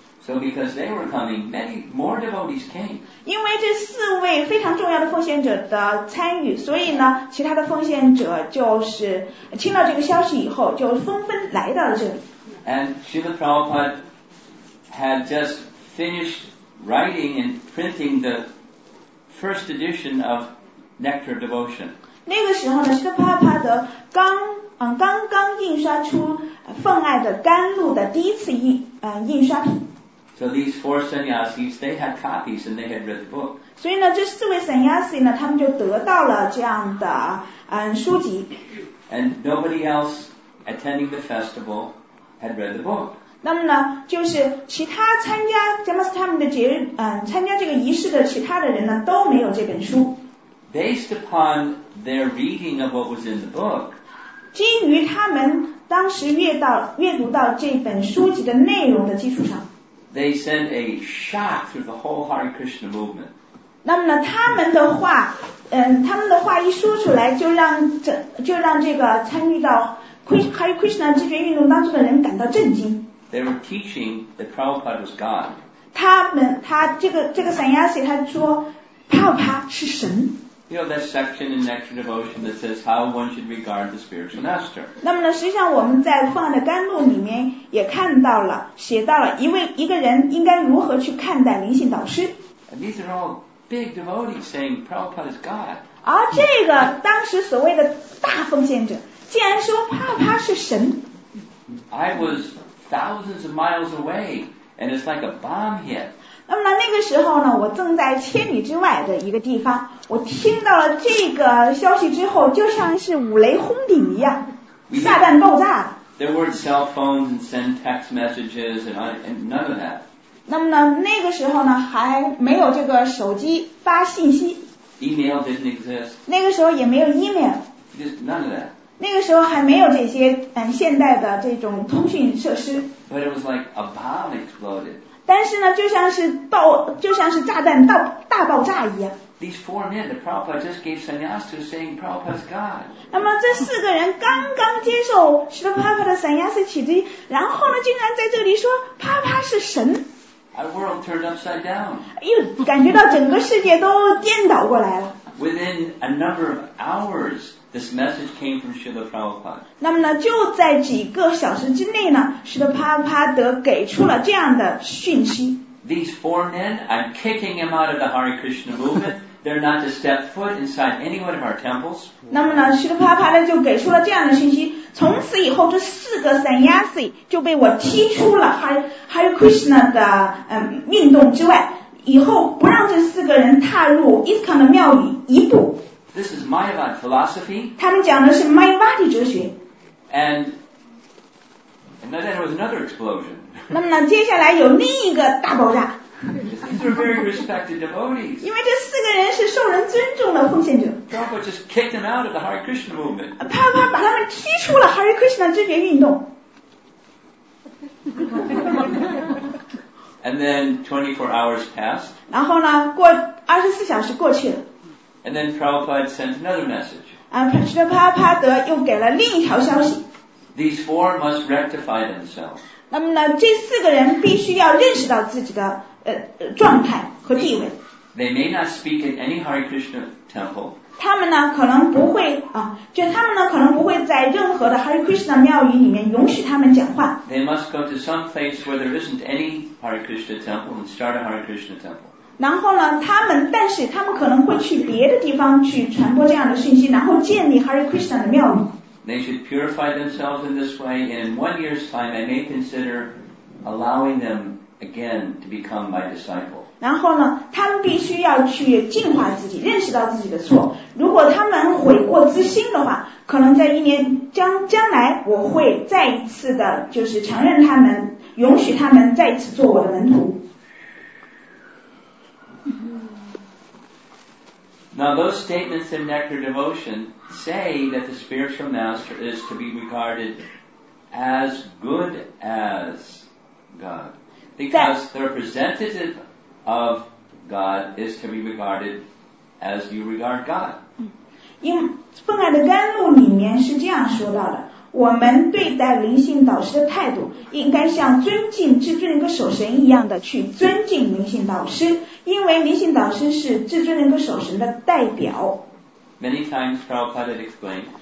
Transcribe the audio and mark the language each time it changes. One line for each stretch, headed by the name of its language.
English: So because they were coming, many more devotees came.
Chinese: 因为这四位非常重要的奉献者的参与，所以呢，其他的奉献者就是听到这个消息以后，就纷纷来到了这里。
English: And Srila Prabhupada had just finished writing and printing the first edition of Nectar Devotion.
Chinese: 那个时候呢，Srila Prabhupada刚刚印刷出奉爱的甘露的第一次印刷品。
English: So these four sannyasis, they had copies and they had read the book.
Chinese: 所以呢，这四位 sannyasi 呢，他们就得到了这样的书籍。
English: And nobody else attending the festival had read the book.
Chinese: 那么呢，就是其他参加 Jamastami 的节日，参加这个仪式的其他的人呢，都没有这本书。
English: Based upon their reading of what was in the book,
Chinese: 基于他们当时阅读到这本书籍的内容的基础上。
English: They sent a shock through the whole Hare Krishna movement.
Chinese: 那么呢，他们的话一说出来，就让这个参与到 Hare Krishna 这边运动当中的人感到震惊。
English: They were teaching that Prabhupada was God.
Chinese: 他这个 sannyasi 他说 ，Prabhupada 是神。
English: You know that section in Nectar Devotion that says how one should regard the spiritual master.
Chinese: 那么呢，实际上我们在放的甘露里面也看到了，写到了一个人应该如何去看待灵性导师。
English: And these are all big devotees saying Prabhupada is God.
Chinese: 而这个当时所谓的大奉献者，竟然说帕帕是神。
English: I was thousands of miles away, and it's like a bomb hit.
Chinese: 那么那个时候呢，我正在千里之外的一个地方，我听到了这个消息之后，就像是五雷轰顶一样，炸弹爆炸。
English: There weren't cell phones and send text messages and none of that.
Chinese: 那么呢，那个时候呢，还没有这个手机发信息。
English: Email didn't exist.
Chinese: 那个时候也没有 email.
English: Just none of that.
Chinese: 那个时候还没有这些现代的这种通讯设施。
English: But it was like a bomb exploded.
Chinese: 但是呢，就像是炸弹大爆炸一样。
English: These four men, the Prabhupada just gave sannyas to, saying Prabhupada is God.
Chinese: 那么这四个人刚刚接受Śrīla Prabhupāda的sannyas启迪，然后呢，竟然在这里说Prabhupada是神。
English: Our world turned upside down.
Chinese: 又感觉到整个世界都颠倒过来了。
English: Within a number of hours, this message came from Śrīla Prabhupāda.
Chinese: 那么呢，就在几个小时之内呢，Śrīla Prabhupāda给出了这样的讯息。
English: These four men, I'm kicking them out of the Hare Krishna movement. They're not to step foot inside any one of our temples.
Chinese: 那么呢，Śrīla Prabhupāda就给出了这样的讯息。从此以后，这四个 sannyasi 就被我踢出了Hare Krishna 的运动之外。以后不让这四个人踏入 ISKCON 的庙宇一步。
English: This is Mayavad philosophy.
Chinese: 他们讲的是 Mayavadi 哲学。
English: And then there was another explosion.
Chinese: 那么呢，接下来有另一个大爆炸。
English: These are very respected devotees.
Chinese: 因为这四个人是受人尊重的奉献者。
English: Prabhupada just kicked them out of the Hare Krishna movement.
Chinese: 他把他们踢出了 Hare Krishna 哲学运动。
English: And then 24 hours passed.
Chinese: 然后呢，过24小时过去了。
English: And then Prabhupada sent another message.
Chinese: Śrīla Prabhupāda又给了另一条消息。
English: These four must rectify themselves.
Chinese: 那么呢，这四个人必须要认识到自己的状态和地位。
English: They may not speak at any Hare Krishna temple.
Chinese: 他们呢可能不会就他们呢可能不会在任何的 Hare Krishna 庙宇里面允许他们讲话。
English: They must go to some place where there isn't any Hare Krishna temple and start a Hare Krishna temple.
Chinese: 然后呢，但是他们可能会去别的地方去传播这样的信息，然后建立 Hare Krishna 的庙宇。
English: They should purify themselves in this way, and in 1 year's time, I may consider allowing them again to become my disciple.
Chinese: 然后呢，他们必须要去净化自己，认识到自己的错。如果他们悔过自新的话，可能在一年将来，我会再一次的，就是承认他们，允许他们再一次做我的门徒。
English: Now those statements in Nectar Devotion say that the spiritual master is to be regarded as good as God. Because the representative of God is to be regarded as you regard God.
Chinese: 因为奉爱的甘露里面是这样说到的，我们对待灵性导师的态度应该像尊敬至尊人格守神一样的去尊敬灵性导师，因为灵性导师是至尊人格守神的代表。
English: Many times Prabhupada explained,